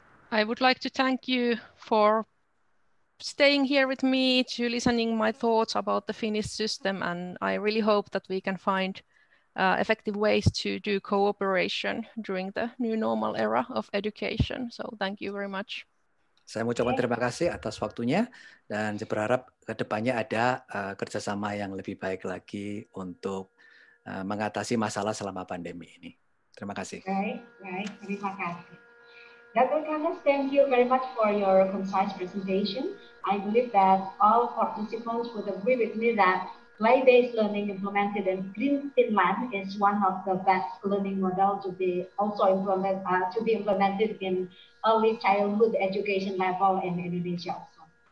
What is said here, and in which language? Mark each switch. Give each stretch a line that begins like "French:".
English: I would like to thank you for staying here with me to listening my thoughts about the Finnish system, and I really hope that we can find effective ways to do cooperation during the new normal era of education. So thank you very much.
Indonesian: Saya mengucapkan terima kasih atas waktunya dan saya berharap kedepannya ada kerjasama yang lebih baik lagi untuk mengatasi masalah selama pandemi ini. Terima kasih. Baik, terima kasih. Dr.
English: Kahas, thank you very much for your concise presentation. I believe that all participants would agree with me that play-based learning implemented in Finland is one of the best learning models to be also implemented in early childhood education level in Indonesia also.